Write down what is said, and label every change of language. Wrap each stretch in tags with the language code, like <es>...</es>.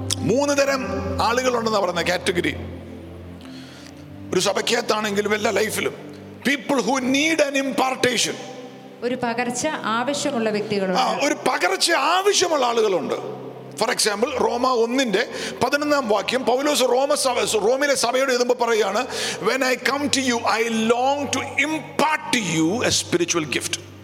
<ml>മൂന്ന് തരം ആളുകൾ ഉണ്ടെന്ന് പറഞ്ഞ കാറ്റഗറി, ഒരു സഭയ്ക്കകത്താണെങ്കിലും എല്ലാ ലൈഫിലും.</ml> <en>People who need an impartation,</en> <ml>ഒരു പകർച്ച ആവശ്യമുള്ള വ്യക്തികൾ, ഒരു പകർച്ച ആവശ്യമുള്ള ആളുകളുണ്ട്.</ml> <en>for example,</en> <ml>റോമ 1:11 പൗലോസ് റോമിലെ സഭയോട് എഴുതുമ്പോൾ പറയുകയാണ്,</ml> <en>When I come to you I long to impart you a spiritual gift.</en>